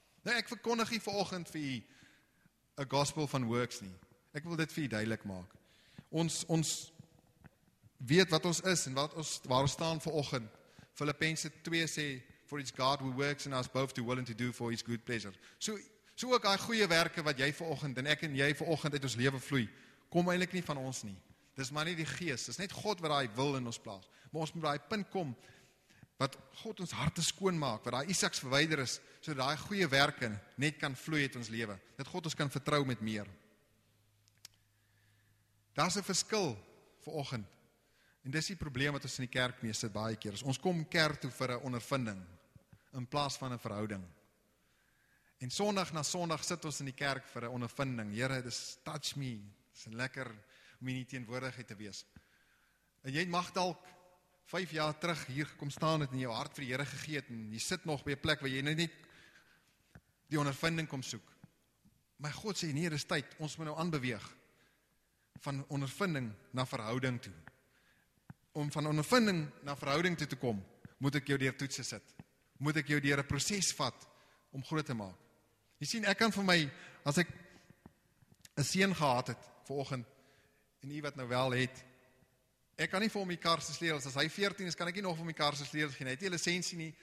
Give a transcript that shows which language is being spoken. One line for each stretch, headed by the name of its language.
Afrikaans: Nou ek verkondig hier vanoggend vir u 'n gospel van works nie. Ek wil dit vir u duidelik maak. Ons weet wat ons is en wat ons waar ons staan vanoggend. Filippense 2 sê
English: for it's God who works in us both to will and to do for his good pleasure.
Afrikaans: So ook daai goeie werke wat jy vanoggend en ek en jy vanoggend uit ons lewe vloei, kom eintlik nie van ons nie. Dis maar nie die Gees, dis net God wat daai wil in ons plaas. Maar ons moet daai punt kom wat God ons harte skoon maak, wat daai Isaks verwyder is, sodat daai goeie werke net kan vloei uit ons lewe. Dat God ons kan vertrou met meer. Daar's 'n verskil vanoggend. En dis die probleem wat ons in die kerk mee sit baie keer. Ons kom kerk toe vir 'n ondervinding in plaas van 'n verhouding. En Sondag na Sondag sit ons in die kerk vir 'n ondervinding. Here, dis touch me. Dis lekker om in die teenwoordigheid te wees. En jy mag dalk 5 jaar terug hier gekom staan het en jou hart vir die Here gegee het en jy sit nog by 'n plek waar jy nou net die ondervinding kom soek. My God sê nee, dis tyd. Ons moet nou aanbeweeg van ondervinding na verhouding toe. Om van ondervinding na verhouding toe te kom, moet ek jou deur toetse sit. Moet ek jou deur 'n proses vat om groot te maak. Jy sien, ek kan vir my as ek 'n seun gehad het vanoggend en u wat nou wel het, ek kan nie vir hom die kar se sleutels as hy 14 is, kan ek nie nog vir hom die kar se sleutels gee nie. Hy het nie lisensie nie.